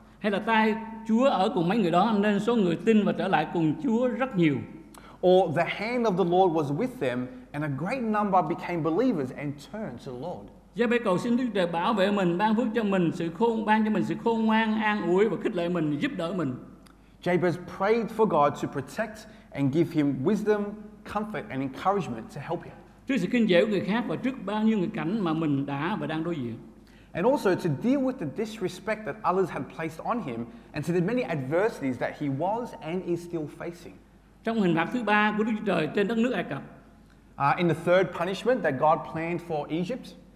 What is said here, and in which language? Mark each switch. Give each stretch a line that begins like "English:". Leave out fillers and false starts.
Vietnamese: Hay là tay Chúa ở cùng mấy người đó nên số người tin và trở lại cùng Chúa rất nhiều.
English: Or the hand of the Lord was with them and a great number became believers and turned to the Lord.
Vietnamese: Giê-bê cầu xin Đức Chúa Trời bảo vệ mình, ban phước cho mình sự khôn, ban cho mình sự khôn ngoan, an ủi và khích lệ mình, giúp đỡ mình.
English: Jabez prayed for God to protect and give him wisdom, comfort and encouragement to help him.
Vietnamese: Trước sự kinh dễ của người khác và trước bao nhiêu nghịch cảnh mà mình đã và đang đối diện.
English: And also to deal with the disrespect that others had placed on him and to the many adversities that he was and is still facing.
Vietnamese: Trong hình phạt thứ ba của Đức Chúa Trời trên đất nước Ai Cập.
English: In the third punishment that God planned for Egypt.